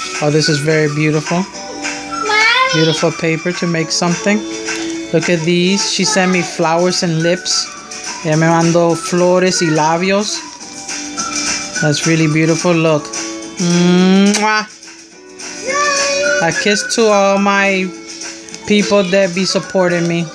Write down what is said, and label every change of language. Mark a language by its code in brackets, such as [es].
[en] Oh, this is very beautiful. Beautiful paper to make something. Look at these. She sent me flowers and lips. [es] Ella me mandó flores y labios. [en] That's really beautiful. Look. Mwah. A kiss to all my people that be supporting me.